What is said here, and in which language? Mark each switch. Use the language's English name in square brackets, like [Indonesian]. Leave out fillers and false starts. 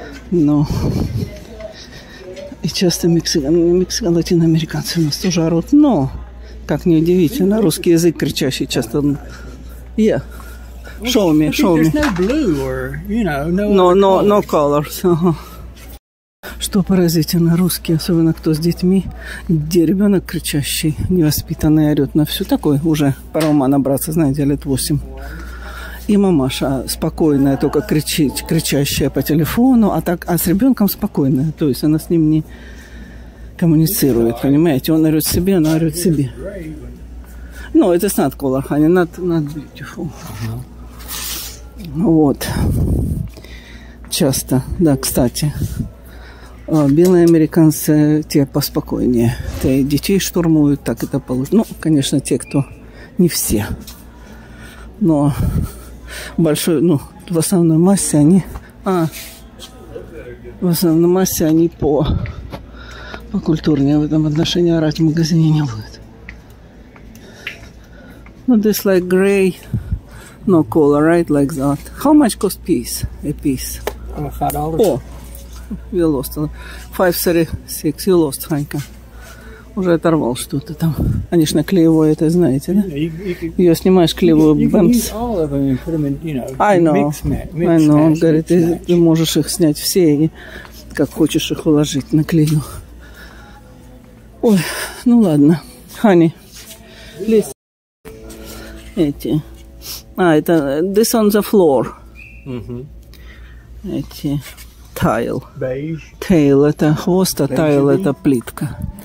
[Russian] Ну. И часто мексико-латиноамериканцы у нас тоже орут, но, как ни удивительно, русский язык кричащий часто. [English] Yeah. Show me, show me. There's no blue or, you know, no colors. [Russian] Что поразительно, русский, особенно кто с детьми, где ребенок кричащий, невоспитанный, орет на всю, такой уже пора ума набраться, знаете, лет 8. И мамаша спокойная, только кричит, кричащая по телефону, а так, а с ребенком спокойная, то есть она с ним не коммуницирует, понимаете? Он орет себе, она орет себе. Ну, это [English] not color, honey, not beautiful. [Russian] Вот. Часто, да, кстати. Белые американцы, те поспокойнее. Те детей штурмуют, так это получится. Ну, конечно, те, кто не все. Но большой, ну, в основной массе они... В основной массе они покультурнее в этом отношении. Орать в магазине не будет. [English] Ну, this like gray, no color, right? Like that. How much cost piece? A piece? $5. Oh. You lost. 536. You lost, Ханька. [Russian] Уже оторвал что-то там. Они ж наклеивают это, знаете, да? Ее снимаешь, клеивают бэмс. [English] I know. [Russian] Он говорит, ты можешь их снять все и как хочешь их уложить на клею. Ой, ну ладно. [English] Honey. Listen. [Russian] Эти. А, это [English] this on the floor. [Russian] Эти. Тайл. [English] Beige. [Russian] Тейл – это хвост, а тайл – это плитка.